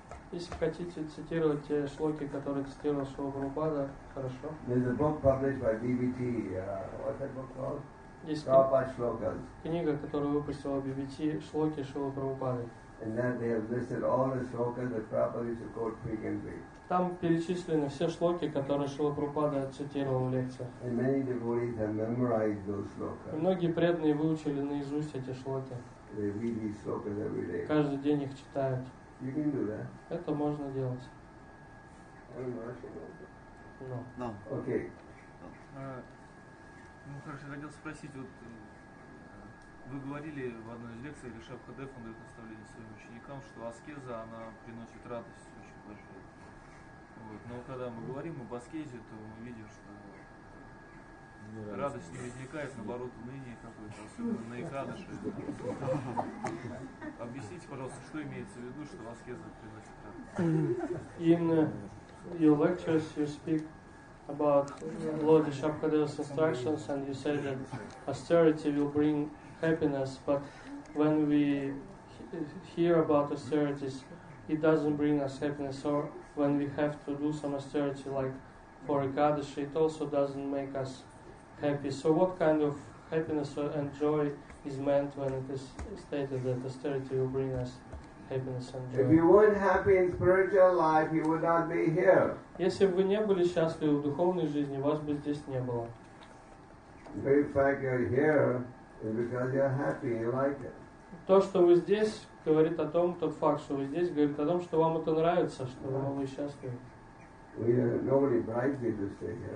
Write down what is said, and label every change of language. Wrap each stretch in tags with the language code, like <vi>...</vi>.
<ru>Если хотите цитировать те шлоки, которые цитировал Шрила Прабхупада, хорошо. Есть книга, которую выпустил BBT, шлоки Шрила Прабхупады.</ru> <en>And then they have listed all the shlokas that Prabhupada used to quote frequently.</en> <ru>Там перечислены все шлоки, которые Шрила Прабхупада цитировал в лекциях.</ru> <en>And many devotees have memorized those shlokas.</en> <ru>Многие преданные выучили наизусть эти шлоки.</ru> <en>They read these shlokas every day.</en> <ru>Каждый день их читают.</ru> <en>You can do that.</en> <ru>Это можно делать.</ru> <en>I'm rushing over. No. Okay.</en> <ru>Ну, хорошо, хотел спросить, вот вы говорили в одной из лекций, или Шабха Деф, он дает наставление своим ученикам, что аскеза, она приносит радость очень большую. Вот. Но когда мы говорим об аскезе, то мы видим, что радость не возникает, наоборот, уныние какое-то, особенно на Экадыше. Объясните, пожалуйста, что имеется в виду, что аскеза приносит радость?</ru> <en>In your lectures you speak about Lord Shabha Dev's instructions, and you say that austerity will bring happiness, but when we hear about austerities, it doesn't bring us happiness. Or when we have to do some austerity, like for Ekadashi, it also doesn't make us happy. So what kind of happiness and joy is meant when it is stated that austerity will bring us happiness and joy? If you weren't happy in spiritual life, you would not be here.</en> <ru>Если бы вы не были счастливы в духовной жизни, вас бы здесь не было.</ru> <en>In fact, you're here. And because you're happy, you like it.</en> <ru>То, что вы здесь, говорит о том, тот факт, что вы здесь, говорит о том, что вам это нравится, что вам вы счастливы.</ru> <en>Nobody bribes you to stay here.</en>